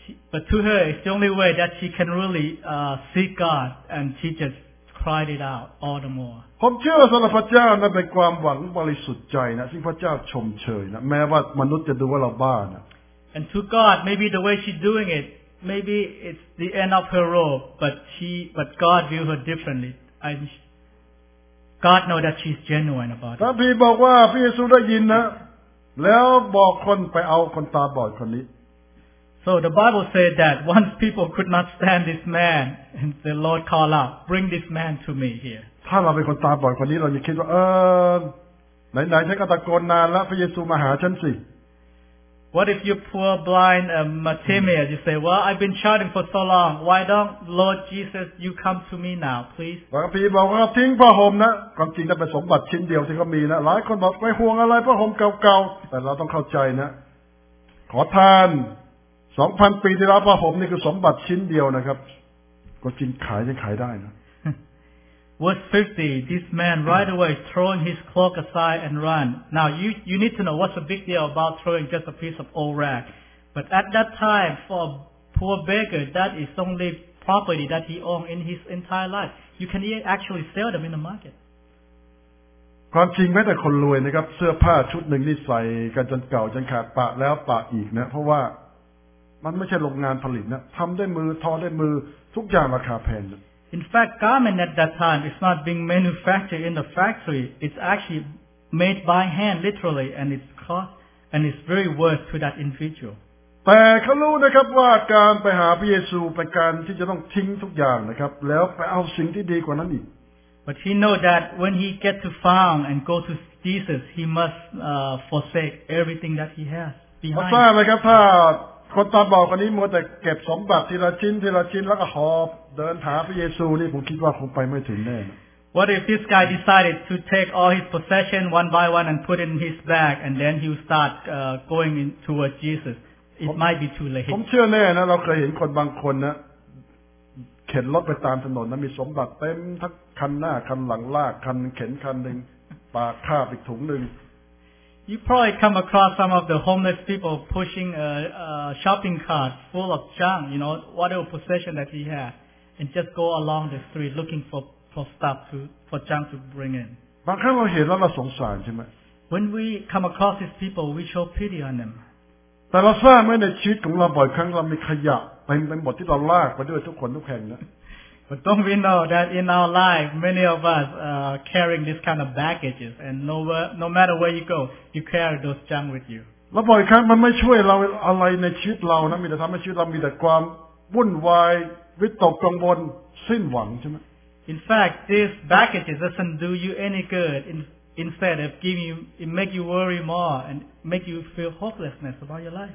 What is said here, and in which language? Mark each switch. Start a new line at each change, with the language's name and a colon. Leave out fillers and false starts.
English: But to her, it's the only way that she can really seek God, and she just cried it out all the more.
Thai: ผมเชื่อสำหรับพระเจ้านะเป็นความหวังบริสุทธิ์ใจนะซึ่งพระเจ้าชมเชยนะแม้ว่ามนุษย์จะดูว่าเราบ้านะ
English: And to God, maybe the way she's doing it, maybe it's the end of her rope, but God view her differently. God know that she's genuine about it.
Thai: พระบิดาบอกว่าพระเยซูได้ยินนะแล้วบอกคนไปเอาคนตาบอดคนนี้
English: So the Bible said that once people could not stand this man, and the Lord called out, bring this man to me here.
Thai: ถ้าเราเป็นคนตาบอดคนนี้เราจะคิดว่าไหนๆฉันก็ตะโกนนานแล้วพระเยซูมาหาฉันสิ
English: What if you poor blind Matthias, you say, well, I've been shouting for so long, why don't Lord Jesus, you come to me now, please?
Thai: บางทีบอกว่าทิ้งพระห่มนะความจริงนั้นเป็นสมบัติชิ้นเดียวที่เขามีนะหลายคนบอกไม่ห่วงอะไรพระห่มเก่าๆแต่เราต้องเข้าใจนะขอทาน 2,000 ปีที่แล้วพระห่มนี่คือสมบัติชิ้นเดียวนะครับก็จริงขายยังขายได้นะ
English: Verse 50 This man right away throwing his cloak aside and run Now you need to know what's the big deal about throwing just a piece of old rag But at that time for a poor beggar that is only property that he owned in his entire life You can actually sell them in the market
Thai: ความจริงแม้แต่คนรวยนะครับเสื้อผ้าชุดหนึ่งนี่ใส่กันจนเก่าจนขาดปะแล้วปะอีกนะเพราะว่ามันไม่ใช่โรงงานผลิตนะทำด้วยมือทอด้วยมือทุกอย่างราคาแพง
English: In fact, garment at that time is not being manufactured in the factory. It's actually made by hand, literally, and it's cost and it's very worth to that individual.
Thai: แต่เขารู้นะครับว่าการไปหาพระเยซูเป็นการที่จะต้องทิ้งทุกอย่างนะครับแล้วไปเอาสิ่งที่ดีกว่านั้นอีก
English: But he knows that when he gets to found and go to Jesus, he must forsake everything that he has behind.
Thai: ทราบไหมครับท่านคนตาบอดคนนี้มัวแต่เก็บสมบัติทีละชิ้นทีละชิ้นแล้วก็หอบเดินหาพระเยซูนี่ผมคิดว่าคงไปไม่ถึงแน่
English: What if this guy decided to take all his possession one by one and put it in his bag and then he'll start going in towards Jesus it might be too late
Thai: ผมเชื่อแน่นะเราเคยเห็นคนบางคนนะเข็นรถไปตามถนนนะมีสมบัติเต็มทั้งคันหน้าคันหลังลากคันเข็นคันหนึ่งปากคาบอีกถุงหนึ่ง
English: You probably come across some of the homeless people pushing a shopping cart full of junk, you know, whatever possession that he had, and just go along the street looking for stuff for junk to bring in.
Thai: บางครั้งเราเห็นแล้วเราสงสารใช่ไหม
English: When we come across these people, we show pity on them.
Thai: แต่เราทราบไหมในชีวิตของเราบ่อยครั้งเรามีขยะเป็นที่เราลากไปด้วยทุกคนทุกแห่งนะ
English: But don't we know that in our life many of us are carrying this kind of baggages and no matter where you go you carry those junk with you
Thai: แล้วบ่อยครั้งมันไม่ช่วยเราอะไรในชีวิตเรานะมีแต่ทำให้ชีวิตเรามีแต่ความวุ่นวายวิตกกังวลสิ้นหวังใช่ไหม
English: In fact these baggages doesn't do you any good instead of giving you it make you worry more and make you feel hopelessness about your life